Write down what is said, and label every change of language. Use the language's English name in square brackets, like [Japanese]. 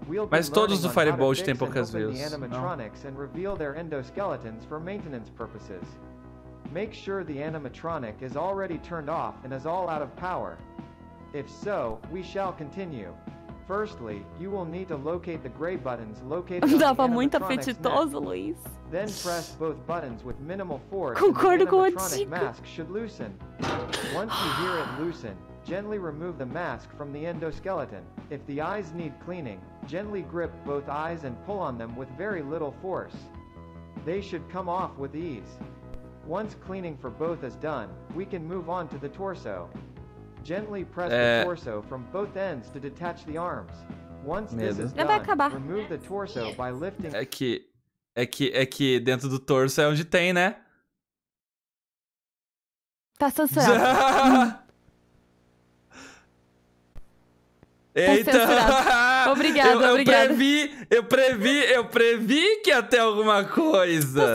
[Portuguese] Mas todos do Firebolt têm poucas views. Não. [English] make sure the animatronic is already turned off and is all out of power. If so, we shall continue. Firstly, you will need to locate the gray buttons located on the animatronic's mask. Then press both buttons with minimal force. [Portuguese] Concordo com o [English] Tico. The animatronic mask should loosen. Once you hear it loosen, gently remove the mask from the endoskeleton. If the eyes need cleaning, gently grip both eyes and pull on them with very little force. They should come off with ease. Once cleaning for both is done, we can move on to the torso. Gently press the torso from both ends to detach the arms. Once this is done, remove the torso by lifting... [Portuguese] É que dentro do torso é onde tem, né? Tá censurado. Eita! Obrigado, obrigado. Eu previ que ia ter alguma coisa.